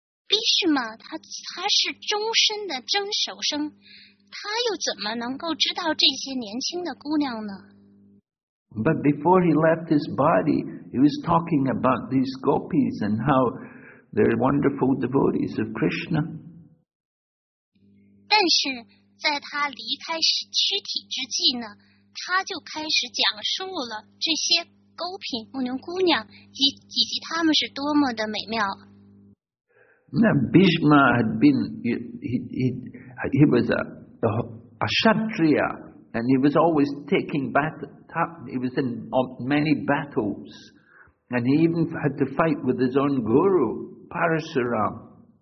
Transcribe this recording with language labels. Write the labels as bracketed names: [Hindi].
[Chinese] Bhishma 他是终身的真守生，他又怎么能够知道这些年轻的姑娘呢？ [English] But before he left his body, he was talking about these gopis and how they're wonderful devotees of Krishna. [Chinese] 但是在他离开躯体之际呢，他就开始讲述了这些 gopi 牧牛姑娘以及他们是多么的美妙。 [English] Now Bhishma had been, he was a Kshatriya, and he was always taking battle, he was in many battles, and he even had to fight with his own guru, Parashuram.